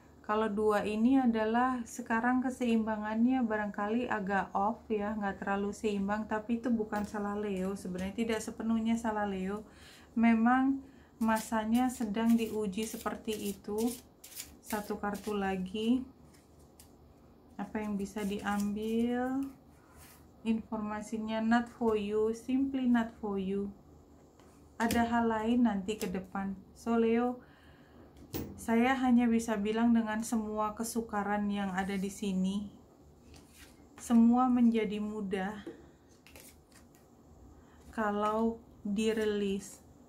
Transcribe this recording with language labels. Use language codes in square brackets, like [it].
[id] Kalau dua ini adalah sekarang keseimbangannya barangkali agak off ya, nggak terlalu seimbang, tapi itu bukan salah Leo. Sebenarnya tidak sepenuhnya salah Leo, memang masanya sedang diuji seperti itu. Satu kartu lagi, apa yang bisa diambil informasinya? [en] Not for you, simply not for you. [id] Ada hal lain nanti ke depan. So Leo, saya hanya bisa bilang dengan semua kesukaran yang ada di sini, semua menjadi mudah kalau dirilis.